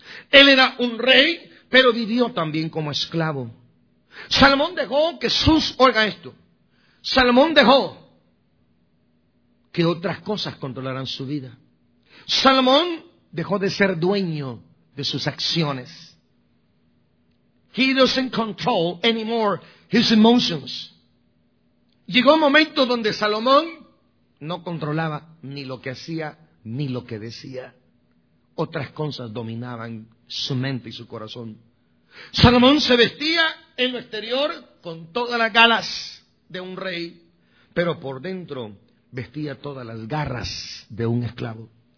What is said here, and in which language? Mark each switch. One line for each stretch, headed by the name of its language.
Spanish: Él era un rey, pero vivió también como esclavo. Salomón dejó que sus... Oiga esto. Salomón dejó que otras cosas controlaran su vida. Salomón dejó de ser dueño de sus acciones.
English: He doesn't control anymore his emotions.
Spanish: Llegó un momento donde Salomón no controlaba ni lo que hacía ni lo que decía. Otras cosas dominaban su mente y su corazón. Salomón se vestía en lo exterior con todas las galas de un rey, pero por dentro vestía todas las garras de un esclavo.